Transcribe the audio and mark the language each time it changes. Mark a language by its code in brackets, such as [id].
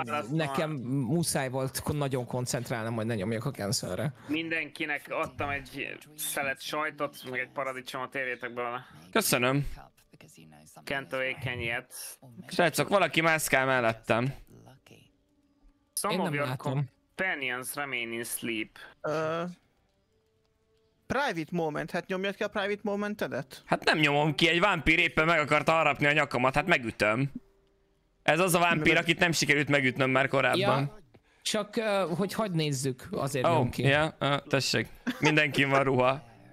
[hu] Nekem muszáj volt nagyon koncentrálnom, hogy ne nyomjak a cancelre. Mindenkinek adtam egy szelet sajtot, meg egy paradicsomot, érjétek be vele. Köszönöm. Kento ékenyet. Srácok, valaki mászkál mellettem. [en] Some of your companions remain in sleep. Private moment, [hu] hát nyomjad ki a private momentedet? Hát nem nyomom ki, egy vámpír éppen meg akart harapni a nyakamat, hát megütöm. Ez az a vámpír, akit nem sikerült megütnöm már korábban. Ja, csak hogy hagyd nézzük, azért nyom ki. Ja, tessék, mindenkin van ruha.